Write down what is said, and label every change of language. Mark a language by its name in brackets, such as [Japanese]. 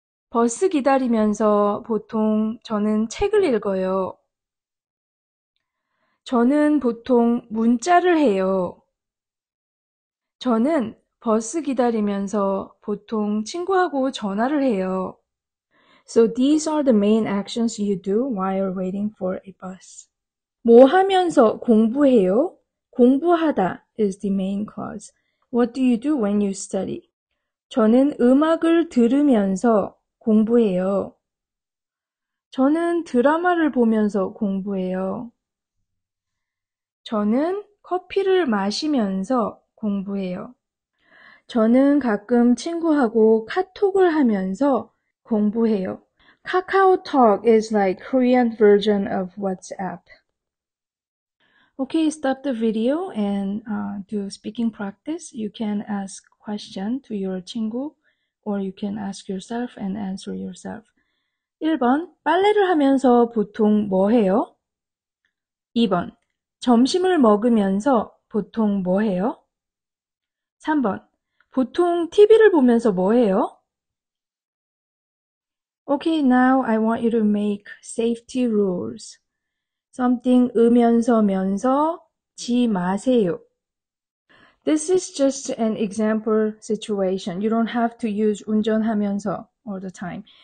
[Korean] 버스 기다리면서 보통 저는 책을 읽어요. 저는 보통 문자를 해요. 저는 버스 기다리면서 보통 친구하고 전화를 해요. [English] So these are the main actions you do while waiting for a bus. [Korean] 뭐 하면서 공부해요? 공부하다 [English] is the main clause. What do you do when you study? [Korean] 저는 음악을 들으면서 공부해요. 저는 드라마를 보면서 공부해요. 저는 커피를 마시면서 공부해요. 저는 가끔 친구하고 카톡을 하면서 공부해요. [English] KakaoTalk is like Korean version of WhatsApp. Okay, stop the video and do speaking practice. You can ask question to your 친구. Or you can ask yourself and answer yourself. [Korean] 1번, 빨래를 하면서 보통 뭐 해요? 2번, 점심을 먹으면서 보통 뭐 해요? 3번, 보통 TV를 보면서 뭐 해요? [English] Okay, now I want you to make safety rules. [Korean] Something 으면서 면서 지 마세요. [English] This is just an example situation. You don't have to use 운전하면서 all the time.